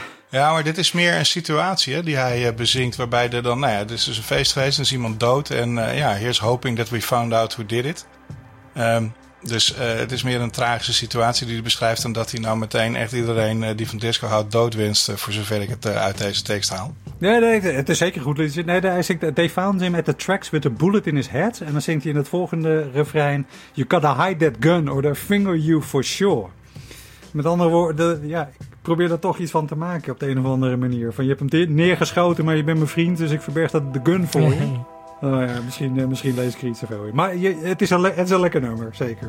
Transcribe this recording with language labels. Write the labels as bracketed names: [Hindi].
[Dutch] Ja, maar dit is meer een situatie hè, die hij bezingt, waarbij er dan, nou ja, dit is dus een feest geweest, en is iemand dood en ja, [English] here's hoping that we found out who did it. [Dutch] Het is meer een tragische situatie die hij beschrijft dan dat hij nou meteen echt iedereen die van disco houdt doodwinst, voor zover ik het uit deze tekst haal. Nee, het is zeker goed. Nee, hij zingt, [English] they found him at the tracks with a bullet in his head. [Dutch] En dan zingt hij in het volgende refrein, [English] you gotta hide that gun or they'll finger you for sure. [Dutch] Met andere woorden, ja, ik probeer er toch iets van te maken op de een of andere manier. Van, je hebt hem neergeschoten, maar je bent mijn vriend, dus ik verberg dat de gun voor je. Oh ja, misschien lees ik er iets te veel in. Maar het is een lekker nummer, zeker.